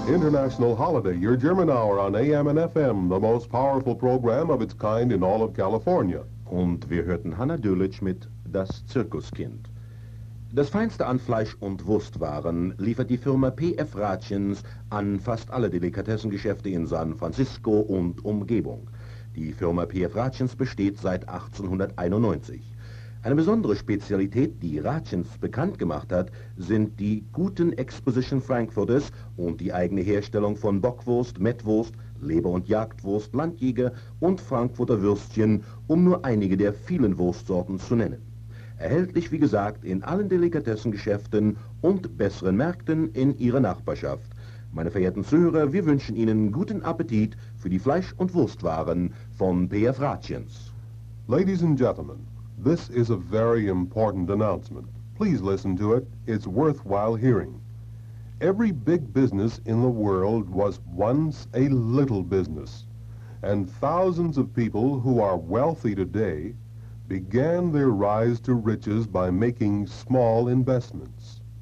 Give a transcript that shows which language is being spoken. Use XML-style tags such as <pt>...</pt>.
<en>National Holiday, your German Hour on AM and FM, the most powerful program of its kind in all of California.</en> <de>Und wir hörten Hanna Dülitsch mit Das Zirkuskind. Das Feinste an Fleisch- und Wurstwaren liefert die Firma P.F. Ratchens an fast alle Delikatessengeschäfte in San Francisco und Umgebung. Die Firma P.F. Ratchens besteht seit 1891. Eine besondere Spezialität, die Ratchens bekannt gemacht hat, sind die guten Exposition Frankfurters und die eigene Herstellung von Bockwurst, Mettwurst, Leber- und Jagdwurst, Landjäger und Frankfurter Würstchen, um nur einige der vielen Wurstsorten zu nennen. Erhältlich, wie gesagt, in allen Delikatessengeschäften und besseren Märkten in ihrer Nachbarschaft. Meine verehrten Zuhörer, wir wünschen Ihnen guten Appetit für die Fleisch- und Wurstwaren von P.F. Ratchens.</de> <en>Ladies and Gentlemen, this is a very important announcement. Please listen to it. It's worthwhile hearing. Every big business in the world was once a little business, and thousands of people who are wealthy today began their rise to riches by making small investments.</en>